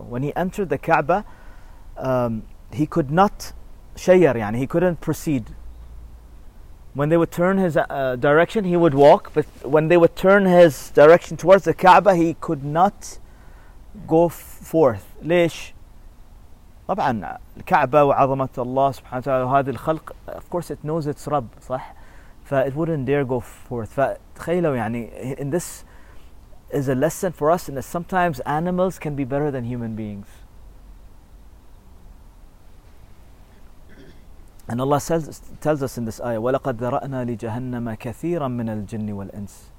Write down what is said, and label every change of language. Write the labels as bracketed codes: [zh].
[en] When he entered the Kaaba, he could not shayar, yani he couldn't proceed. When they would turn his direction, he would walk. But when they would turn his direction towards the Kaaba, he could not go forth. [ar] ليش؟ طبعا الكعبة وعظمة الله سبحانه وتعالى وهذه الخلق, [en] of course it knows its [ar] رب, صح؟ ف [en] it wouldn't dare go forth. فتخيلوا يعني, and this is a lesson for us in that sometimes animals can be better than human beings. And Allah tells us in this ayah, [ar] وَلَقَدْ ذَرَأْنَا لِجَهَنَّمَا كَثِيرًا مِنَ الْجِنِّ وَالْإِنسِ.